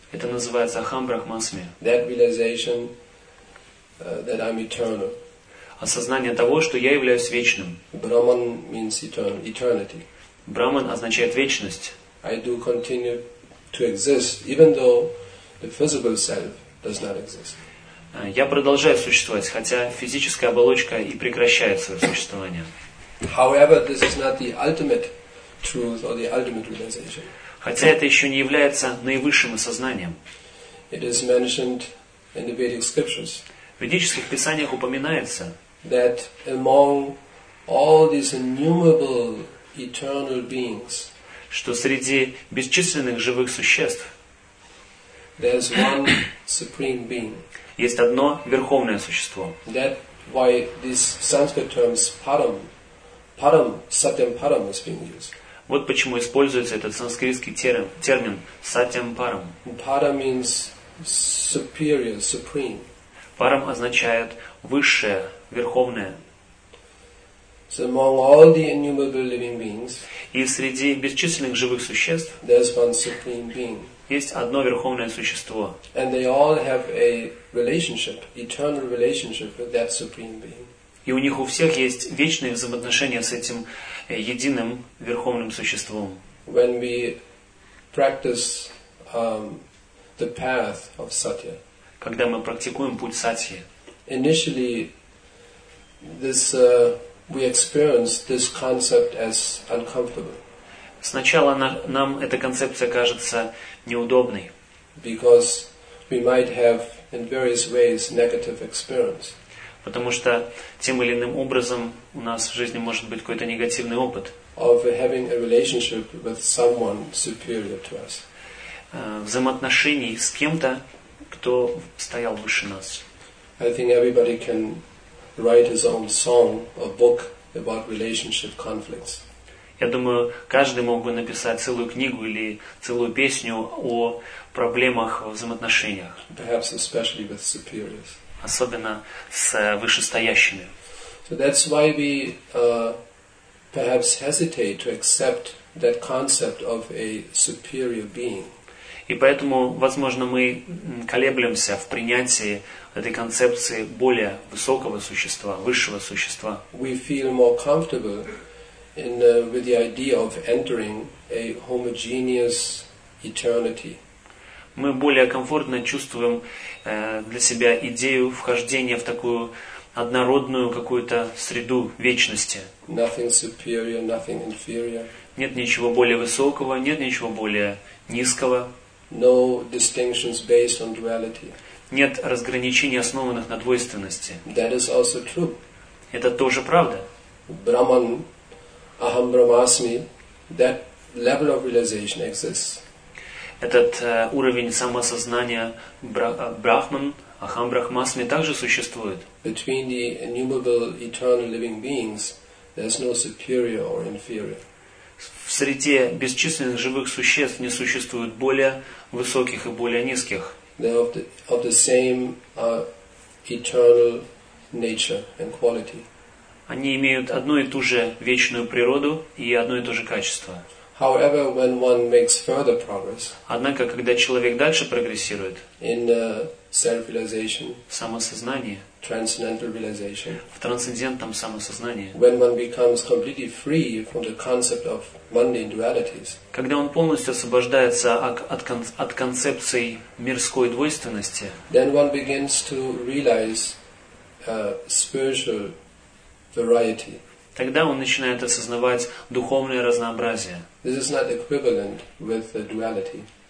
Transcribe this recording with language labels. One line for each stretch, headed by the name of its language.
Russian: Это называется
Sanskrit: aham brahmasmi.
English: That realization, that I'm eternal.
Russian: Осознание того, что я являюсь вечным.
English: Brahman means eternity.
Russian: Brahman означает вечность.
English: I do continue to exist, even though the physical self does not exist.
Russian: Я продолжаю существовать, хотя физическая оболочка и прекращает свое существование.
English: However, this is not the ultimate truth or the ultimate realization.
Russian: Хотя это еще не является наивысшим осознанием.
English: It is mentioned in the Vedic scriptures.
Russian: В ведических писаниях упоминается,
English: that among all these innumerable eternal beings,
Russian: что среди бесчисленных живых существ
English: there's one supreme being.
Russian: Есть одно верховное существо.
English: That why these Sanskrit terms param, param,
Sanskrit: satyam param
English: is being used.
Russian: Вот почему используется этот санскритский термин
Sanskrit: satyam param.
English: Param means superior, supreme.
Russian: Param означает высшее, верховное.
English: So among all the innumerable living beings,
Russian: и среди бесчисленных живых существ
English: there's one supreme being.
Russian: Есть одно верховное существо.
English: And they all have a relationship, eternal relationship with that supreme being.
Russian: И у них у всех есть вечные взаимоотношения с этим единым верховным существом.
English: When we practice the path of satya,
Russian: когда мы практикуем путь сатьи,
English: initially this we experience this concept as uncomfortable.
Russian: Сначала нам эта концепция кажется неудобной.
English: Because we might have in various ways negative experience.
Russian: Потому что тем или иным образом у нас в жизни может быть какой-то негативный опыт.
English: Of having a relationship with someone superior to us.
Russian: Взаимоотношений с кем-то, кто стоял выше нас.
English: I think everybody can write his own song or book about relationship conflicts.
Russian: Я думаю, каждый мог бы написать целую книгу или целую песню о проблемах в взаимоотношениях.
English: Perhaps especially with superiors.
Russian: Особенно с вышестоящими.
English: So that's why we perhaps hesitate to accept that concept of a superior being.
Russian: И поэтому, возможно, мы колеблемся в принятии этой концепции более высокого существа, высшего существа.
English: We feel more comfortable in with the idea of entering a homogeneous eternity.
Russian: Мы более комфортно чувствуем для себя идею вхождения в такую однородную какую-то среду вечности.
English: Nothing superior, nothing inferior.
Russian: Нет ничего более высокого, нет ничего более низкого.
English: No distinctions based on duality.
Russian: Нет разграничений, основанных на двойственности.
English: That is also true.
Russian: Это тоже правда.
English: Brahman,
Sanskrit: aham brahmasmi,
English: that level of realization exists.
Russian: Этот уровень самосознания Брахман,
Sanskrit: aham brahmasmi,
Russian: также существует.
English: Between the innumerable eternal living beings, there's no superior or inferior.
Russian: В среде бесчисленных живых существ не существует более высоких и более низких.
English: They're of the same eternal nature and quality.
Russian: Они имеют одну и ту же вечную природу и одно и то же качество.
English: However, when one makes further progress,
Russian: однако, когда человек дальше прогрессирует
English: in self-realization,
Russian: в самосознании,
English: transcendental realization,
Russian: в трансцендентном самосознании,
English: when one becomes completely free from the concept of mundane dualities,
Russian: когда он полностью освобождается от концепции мирской двойственности,
English: then one begins to realize spiritual variety.
Russian: Тогда он начинает осознавать духовное разнообразие.
English: This is not equivalent with the duality.